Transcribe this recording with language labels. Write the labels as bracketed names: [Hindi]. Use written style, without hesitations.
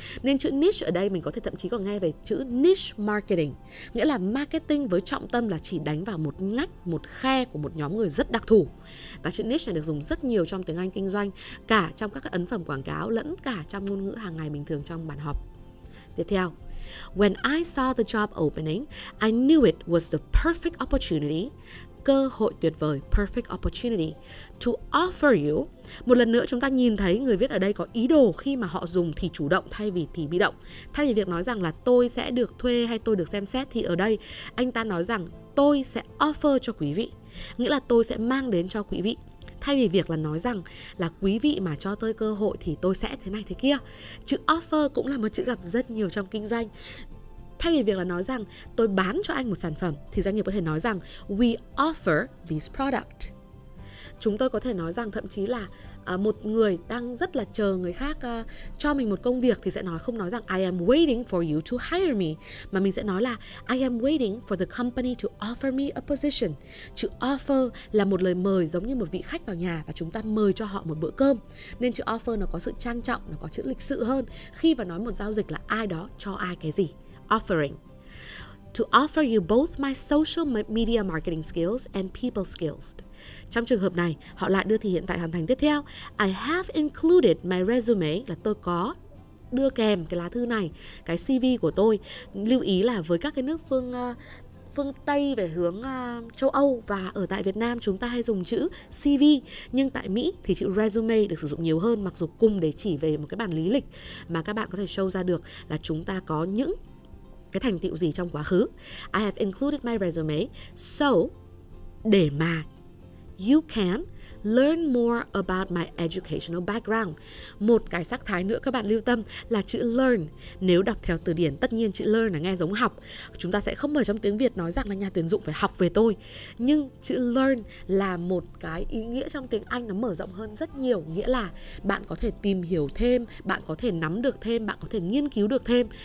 [Vietnamese] Nên chữ niche ở đây mình có thể thậm chí còn nghe về chữ niche marketing, nghĩa là marketing với trọng tâm là chỉ đánh vào một ngách, một khe của một nhóm người rất đặc thù. Và chữ niche này được dùng rất nhiều trong tiếng Anh kinh doanh, cả trong các ấn phẩm quảng cáo lẫn cả trong ngôn ngữ hàng ngày bình thường trong bàn họp. Tiếp theo, [English] when I saw the job opening, I knew it was the perfect opportunity. [Vietnamese] Cơ hội tuyệt vời, [English] perfect opportunity to offer you. [Vietnamese] Một lần nữa chúng ta nhìn thấy người viết ở đây có ý đồ khi mà họ dùng thì chủ động thay vì thì bị động. Thay vì việc nói rằng là tôi sẽ được thuê hay tôi được xem xét thì ở đây anh ta nói rằng tôi sẽ offer cho quý vị, nghĩa là tôi sẽ mang đến cho quý vị. Thay vì việc là nói rằng là quý vị mà cho tôi cơ hội thì tôi sẽ thế này thế kia. Chữ offer cũng là một chữ gặp rất nhiều trong kinh doanh. Thay vì việc là nói rằng tôi bán cho anh một sản phẩm thì doanh nghiệp có thể nói rằng [English] we offer this product. [Vietnamese] Chúng tôi có thể nói rằng thậm chí là một người đang rất là chờ người khác cho mình một công việc thì sẽ nói, không nói rằng [English] I am waiting for you to hire me, [Vietnamese] mà mình sẽ nói là [English] I am waiting for the company to offer me a position. [Vietnamese] Chữ offer là một lời mời, giống như một vị khách vào nhà và chúng ta mời cho họ một bữa cơm. Nên chữ offer nó có sự trang trọng, nó có chữ lịch sự hơn khi mà nói một giao dịch là ai đó cho ai cái gì. [English] Offering. To offer you both my social media marketing skills and people skills. [Vietnamese] Trong trường hợp này, họ lại đưa thể hiện tại hoàn thành tiếp theo. [English] I have included my resume, [Vietnamese] là tôi có đưa kèm cái lá thư này, cái CV của tôi. Lưu ý là với các cái nước phương Tây về hướng châu Âu và ở tại Việt Nam chúng ta hay dùng chữ CV, nhưng tại Mỹ thì chữ resume được sử dụng nhiều hơn, mặc dù cùng để chỉ về một cái bản lý lịch mà các bạn có thể show ra được là chúng ta có những cái thành tựu gì trong quá khứ. [English] I have included my resume so [Vietnamese] để mà [English] you can learn more about my educational background. [Vietnamese] Một cái sắc thái nữa các bạn lưu tâm là chữ learn. Nếu đọc theo từ điển, tất nhiên chữ learn là nghe giống học. Chúng ta sẽ không ở trong tiếng Việt nói rằng là nhà tuyển dụng phải học về tôi. Nhưng chữ learn là một cái ý nghĩa trong tiếng Anh, nó mở rộng hơn rất nhiều. Nghĩa là bạn có thể tìm hiểu thêm, bạn có thể nắm được thêm, bạn có thể nghiên cứu được thêm.